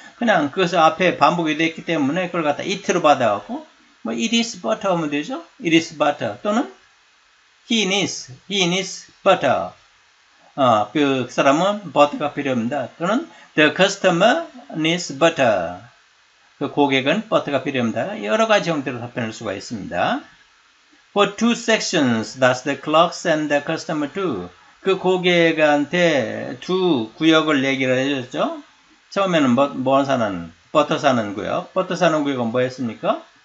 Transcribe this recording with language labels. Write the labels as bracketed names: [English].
[Korean] 그냥 그것을 앞에 반복이 됐기 때문에 그걸 갖다 it로 받아갖고, 뭐, it is butter 하면 되죠? [English] It is butter. 또는 he needs butter. [Korean] 그 사람은 버터가 필요합니다. [English] 또는 the customer needs butter. [Korean] 그 고객은 버터가 필요합니다. 여러 가지 형태로 답변할 수가 있습니다. [English] For two sections, that's the clerk and the customer too. [Korean] 그 고객한테 두 구역을 얘기를 해줬죠. 처음에는 뭐 사는? 버터 사는 구역. 버터 사는 구역은 뭐였습니까?